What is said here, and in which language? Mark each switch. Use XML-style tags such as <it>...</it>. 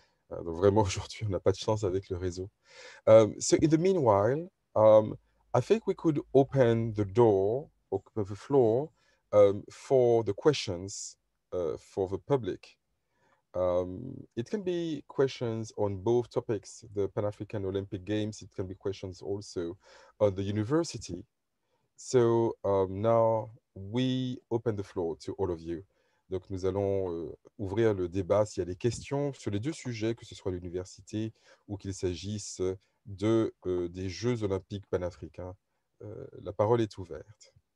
<fr>Donc vraiment aujourd'hui, on n'a pas de chance avec le réseau.</fr> <en>So in the meanwhile, I think we could open the door or the floor for the questions for the public. It can be questions on both topics, the Pan-African Olympic Games. It can be questions also on the university. So now we open the floor to all of you.</en> <fr>Donc nous allons ouvrir le débat s'il y a des questions sur les deux sujets, que ce soit l'université ou qu'il s'agisse de des Jeux Olympiques panafricains. La parole est ouverte.</fr>